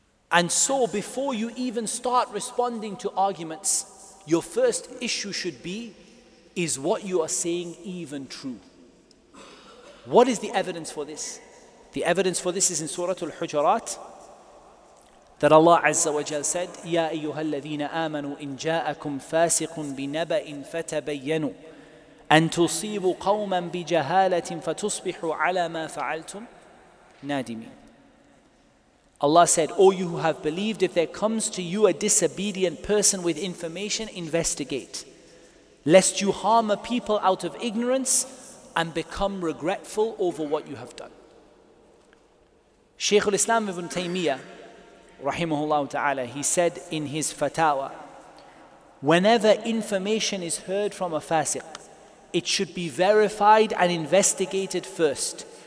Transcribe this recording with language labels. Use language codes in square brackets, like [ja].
[en] And so before you even start responding to arguments, your first issue should be, is what you are saying even true? What is the evidence for this? The evidence for this is in Surah Al-Hujurat, that Allah Azza wa Jal said, [ar] يَا أَيُّهَا الَّذِينَ آمَنُوا إِن جَاءَكُمْ فَاسِقٌ بِنَبَأٍ فَتَبَيَّنُوا أَن تُصِيبُوا قَوْمًا بِجَهَالَةٍ فَتُصْبِحُوا عَلَى مَا فَعَلْتُمْ نَادِمِينَ. [en] Allah said, O you who have believed, if there comes to you a disobedient person with information, investigate, lest you harm a people out of ignorance and become regretful over what you have done. Shaykh al-Islam ibn Taymiyyah, rahimahullah ta'ala, he said in his fatawa, whenever information is heard from a fasiq, it should be verified and investigated first.